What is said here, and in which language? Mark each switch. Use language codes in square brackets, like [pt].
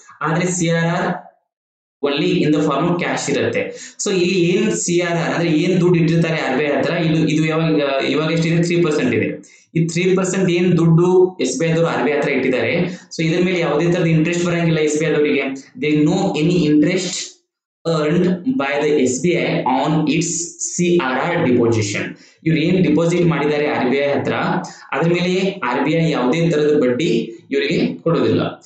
[en] ಆದ್ರೆ CRR ಒಲ್ಲಿ in the form of cash ಇರುತ್ತೆ. [kn] So ಇಲ್ಲಿ ಏನ್ CRR ಅಂದ್ರೆ ಏನ್ ದುಡ್ಡು ಇಟ್ಟಿರ್ತಾರೆ RBI ಹತ್ರ, ಇದು ಯಾವಾಗ ಇವಾಗ ಎಷ್ಟಿದೆ, 3% ಇದೆ. ಈ 3% ಏನ್ ದುಡ್ಡು SBI ದವರು RBI ಹತ್ರ ಇಟ್ಟಿದ್ದಾರೆ, ಸೊ ಇದ್ರ ಮೇಲೆ ಯಾವುದೇ ತರದ ಇಂಟ್ರೆಸ್ಟ್ ಬರಂಗಿಲ್ಲ SBI ದವರಿಗೆ. [en] There no any interest earned by the SBI on its CRR deposition. [kn] ಇವ್ರು ಏನ್ ಡಿಪಾಸಿಟ್ ಮಾಡಿದ್ದಾರೆ ಆರ್ ಬಿ ಐ ಹತ್ರ, ಅದ್ರ ಮೇಲೆ ಆರ್ ಬಿ ಐ ಯಾವುದೇ ತರದ ಬಡ್ಡಿ ಇವರಿಗೆ ಕೊಡೋದಿಲ್ಲ.